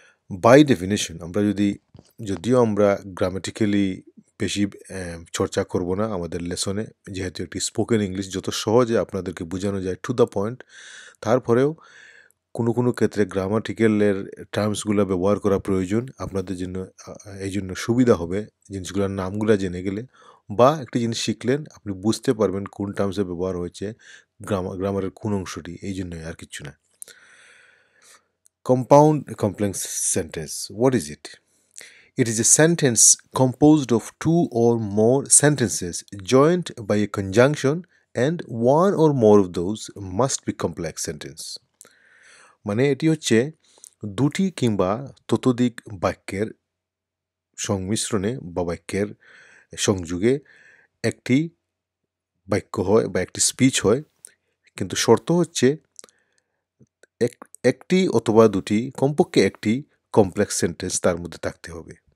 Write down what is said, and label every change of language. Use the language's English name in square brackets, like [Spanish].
[Bangla] By definition, আমরা যদিও আমরা গ্রামাটিক্যালি বেশি চর্চা করব না আমাদের লেসনে, যেহেতু একটি স্পোকেন ইংলিশ, যত সহজে আপনাদেরকে বোঝানো যায় টু দ্য পয়েন্ট, তারপরেও কোনো কোনো ক্ষেত্রে গ্রামাটিক্যালের টার্মসগুলো ব্যবহার করা প্রয়োজন আপনাদের জন্য। এই জন্য সুবিধা হবে জিনিসগুলোর নামগুলো জেনে গেলে, বা একটি জিনিস শিখলেন আপনি বুঝতে পারবেন কোন টার্মসে ব্যবহার হয়েছে গ্রামারের কোন অংশটি। এই জন্যই আর কিছু না। [English] Compound complex sentence, what is it? It is a sentence composed of two or more sentences joined by a conjunction, and one or more of those must be complex sentence. [Bangla] মানে এটি হচ্ছে দুটি কিংবা ততোধিক বাক্যের সংমিশ্রণে বা বাক্যের সংযোগে একটি বাক্য হয় বা একটি স্পিচ হয়, কিন্তু শর্ত হচ্ছে একটি অথবা দুটি, কমপক্ষে একটি কমপ্লেক্স সেন্টেন্স তার মধ্যে থাকতে হবে।